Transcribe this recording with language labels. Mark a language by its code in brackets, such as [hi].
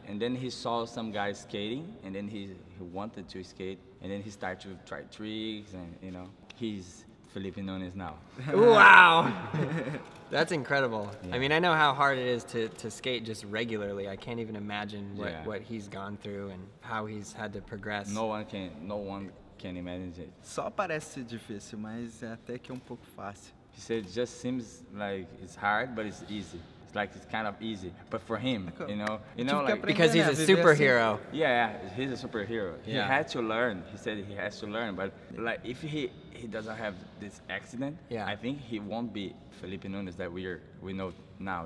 [en] And then he saw some guys skating, and then he wanted to skate, and then he started to try tricks, and you know, he's Felipe Nunes now. Wow! That's incredible. Yeah. I mean, I know how hard it is to skate just regularly. I can't even imagine what he's gone through and how he's had to progress. No one can imagine it. [pt] Só parece difícil, mas até que um pouco fácil. [en] He said it just seems like it's hard, but it's easy. It's like it's kind of easy, but for him, you know, like, because he's a superhero. Yeah, he's a superhero. Yeah. He had to learn. He said he has to learn, but like if he doesn't have this accident, yeah, I think he won't be Felipe Nunes that we know now.